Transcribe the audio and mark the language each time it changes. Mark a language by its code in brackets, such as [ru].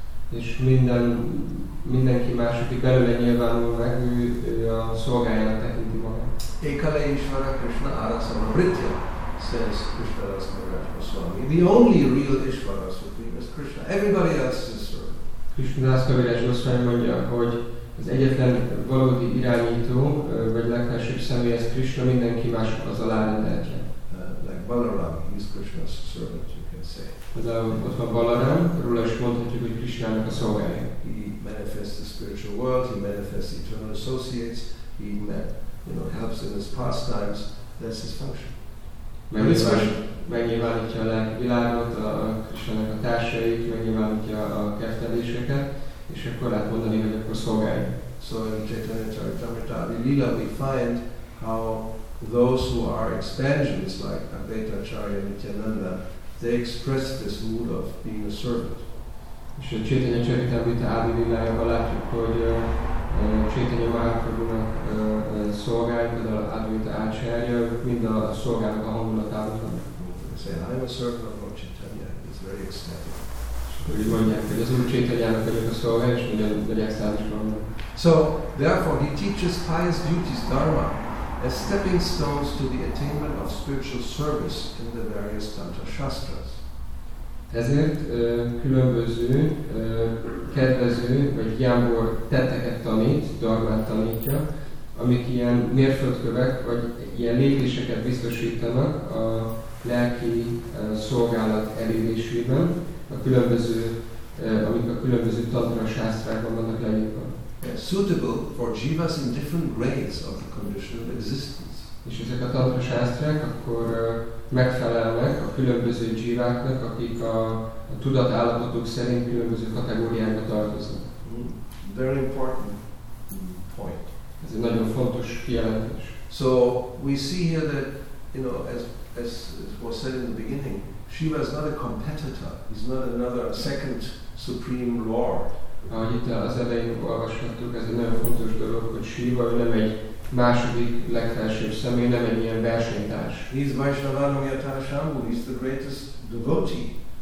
[hu] És mindenki más, aki belőle nyilvánul meg, ő a szolgáját tekinti magát. [sa] Ekale Ishvara Krishna Arasama Vritya, [en] says Krishna Das Maharaj Goswami. The only real Ishvara Supreme is Krishna. Everybody else is his servant. [hu] Krishna Das Maharaj Goswami mondja, hogy az egyetlen valódi irányító, vagy legfelsőbb személy, ez Krishna, mindenki más az alárendeltje. [en] Like Balaram, he's Krishna's servant, you can say. [hu] Ott van Balaram, róla is mondhatjuk, hogy Krishnának a szolgája. [en] He manifests the spiritual world, he manifests eternal associates, he helps in his pastimes, that's his function. [hu] Megnyilvánítja a lelki világot, a Krishnának a társait, megnyilvánítja a kefteléseket, és akkor lehet mondani, hogy akkor szolgálja. [en] So in Chaitanya Charitamrita Adilila we find how those who are expansions like Advaita Acharya Nityananda, they express this mood of being a servant. [hu] És a Chaitanya Charitamrita Adililájában látjuk, hogy Chaitanya Mahaprabhunak szolgálja, például Advaita Acharya, mind a szolgálnak a hangulatában van. [en] Say, I'm a servant of Lord Chaitanya. It's very ecstatic. [hu] Úgy mondják, hogy az Úr Chaitanyának vagyok a szolgája, és nagyon nagy extázis van. [en] So, therefore, he teaches pious duties, dharma, as stepping stones to the attainment of spiritual service in the various tantra shastras. [hu] Ezért különböző, kedvező, vagy gyámbor tetteket tanít, dharmát tanítja, amik ilyen mérföldkövek, vagy ilyen lépéseket biztosítanak a lelki szolgálat elérésében, a különböző, amik a különböző tantra sásztrákban vannak leírva. [en] Suitable for jivas in different grades of the condition of existence. [hu] És ezek a tantra sásztrák akkor megfelelnek a különböző jiváknak, akik a tudatállapotuk szerint különböző kategóriákba tartoznak. [en] Very important point. [hu] Ez egy nagyon fontos kijelentés. [en] So we see here that, as was said in the beginning, Shiva is not a competitor, he's not another second supreme lord. [hu] Ahogy itt az elején olvashattuk, ez egy nagyon fontos dolog, hogy Shiva nem egy második legfelsőbb személy, nem egy ilyen versenytárs. [en] He's Vaishnavanamyatarsambhu, he's the greatest devotee.